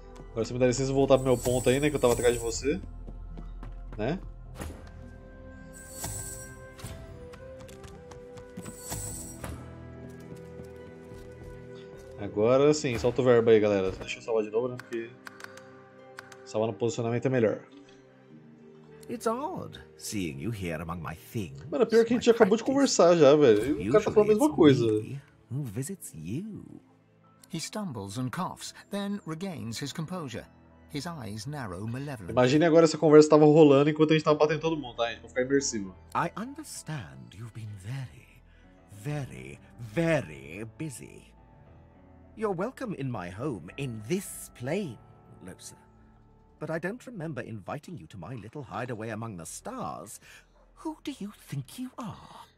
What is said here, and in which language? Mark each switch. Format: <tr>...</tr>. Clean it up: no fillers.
<pt>Agora você me dá licença de voltar pro meu ponto aí, né, que eu tava atrás de você. Né? Agora sim, solta o verbo aí, galera. Deixa eu salvar de novo, né, porque salvar no posicionamento é melhor.</pt> <en>It's odd seeing you here among my things.</en> <pt>Mano, pior que a gente acabou de conversar já, velho. E o cara tá falando a mesma coisa.</pt> <en>Who visits you? He stumbles and coughs, then regains his composure. His eyes narrow malevolently.</en> <pt>Imagine agora essa conversa tava rolando enquanto a gente tava batendo todo mundo, tá? Vou ficar imersivo.</pt> <en>I understand you've been very, very, very busy. You're welcome in my home in this plane, Losa. But I don't remember inviting you to my little hideaway among the stars. Who do you think you are?</en>